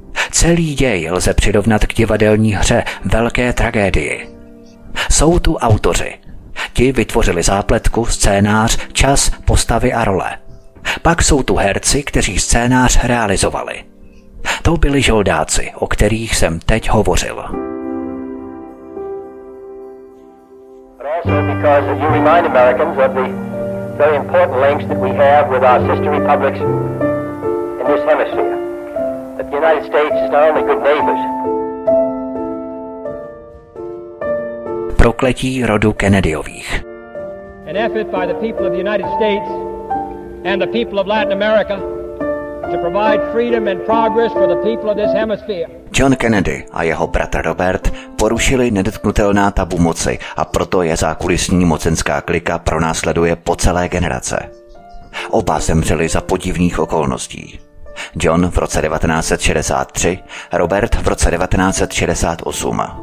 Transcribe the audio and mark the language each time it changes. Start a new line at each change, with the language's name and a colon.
Czech: Celý děj lze přirovnat k divadelní hře Velké tragédii. Jsou tu autoři. Ti vytvořili zápletku, scénář, čas, postavy a role. Pak jsou tu herci, kteří scénář realizovali. To byli žoldáci, o kterých jsem teď hovořil.
English: But also because you remind Americans of the very important links that we have with our sister republics in this hemisphere. That the United States is not only good neighbors.
Czech: Prokletí rodu Kennedyových.
English: An effort by the people of the United States and the people of Latin America to provide freedom and progress for the people of this hemisphere.
Czech: John Kennedy a jeho bratr Robert porušili nedotknutelná tabu moci a proto je zákulisní mocenská klika pronásleduje po celé generace. Oba zemřeli za podivných okolností. John v roce 1963, Robert v roce 1968.